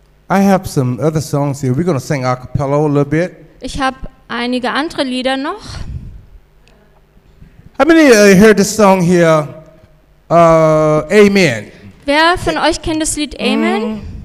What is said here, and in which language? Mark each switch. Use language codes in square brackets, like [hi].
[en] I have some other songs here. We're going to sing a cappella a little bit. [de] Ich habe einige andere Lieder noch. [en] How many of you heard this song here? Amen. [de] Wer von euch kennt das Lied Amen?